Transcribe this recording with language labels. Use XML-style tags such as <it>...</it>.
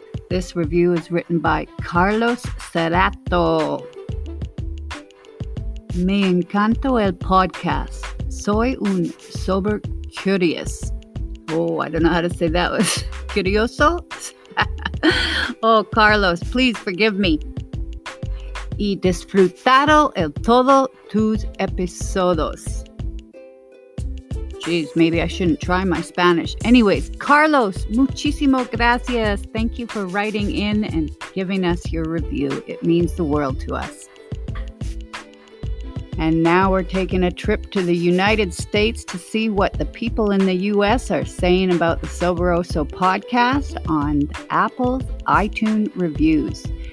<en>This review is written by Carlos Cerato.</en> <es>Me encanto el podcast. Soy un</es> <en>sober curious. Oh, I don't know how to say that. Curioso? Oh, Carlos, please forgive me.</en> <es>Y disfrutado el todo tus episodios.</es> <en>Jeez, maybe I shouldn't try my Spanish.</en> <es>Anyways, Carlos, muchísimo gracias.</es> <en>Thank you for writing in and giving us your review. It means the world to us. And now we're taking a trip to the United States to see what the people in the U.S. are saying about the Soberoso podcast on Apple's iTunes reviews.</en>